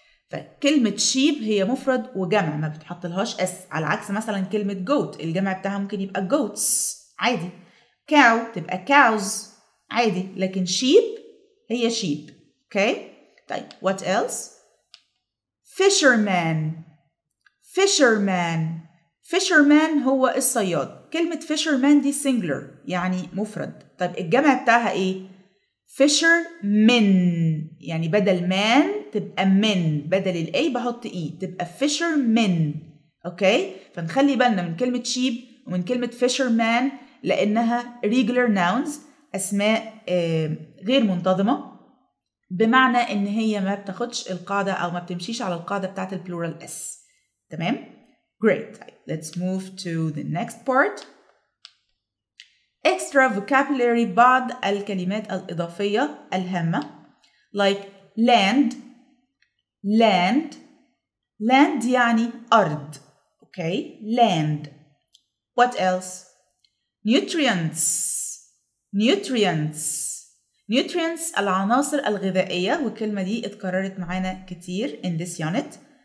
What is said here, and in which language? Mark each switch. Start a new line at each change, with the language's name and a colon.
Arabic: فكلمة sheep هي مفرد وجمع ما بتحط لهاش s على عكس مثلا كلمة goat الجمع بتاعها ممكن يبقى
English: goats
Arabic: عادي.
English: cow
Arabic: تبقى
English: cows
Arabic: عادي لكن
English: sheep
Arabic: هي
English: sheep. okay.
Arabic: طيب
English: what else. fisherman. fisherman. fisherman
Arabic: هو الصياد. كلمة fisherman دي
English: singular
Arabic: يعني مفرد. طيب الجمع بتاعها ايه؟
English: fishermen
Arabic: يعني بدل man تبقى men بدل الـ a بحط e تبقى fishermen.
English: okay.
Arabic: فنخلي بالنا من كلمة sheep ومن كلمة fisherman لأنها
English: regular nouns
Arabic: أسماء غير منتظمة بمعنى إن هي ما بتاخدش القاعدة أو ما بتمشيش على القاعدة بتاعت الـ plural s. تمام. great.
English: let's move to the next part. extra vocabulary
Arabic: بعض الكلمات الإضافية الهامة
English: like land. land.
Arabic: land يعني أرض.
English: okay. land. what else. nutrients. nutrients.
Arabic: nutrients العناصر الغذائية والكلمة دي اتكررت معانا كتير
English: in this unit.